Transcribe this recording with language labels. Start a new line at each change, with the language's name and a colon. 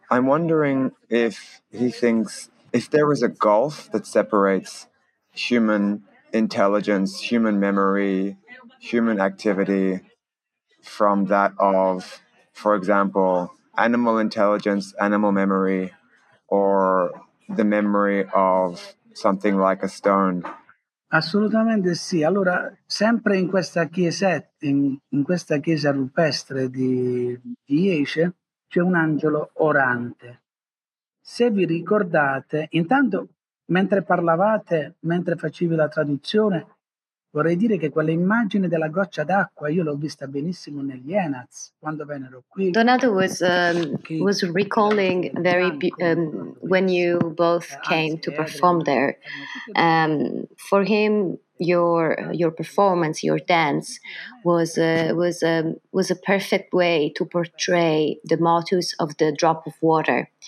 English: I'm wondering if he thinks... if there is a gulf that separates human intelligence, human memory, human activity from that of, for example, animal intelligence, animal memory, or the memory of something like a stone.
Italian: Assolutamente sì. Allora, sempre in questa chiesetta, in questa chiesa rupestre di Iese, c'è un angelo orante. Se vi ricordate, intanto, mentre parlavate, mentre facevi la traduzione, vorrei dire che quell'immagine della goccia d'acqua io l'ho vista benissimo negli Enaz quando vennero qui.
English: Donato was recalling very when you both came to perform there. For him, your performance, your dance was a perfect way to portray the motus of the drop of water.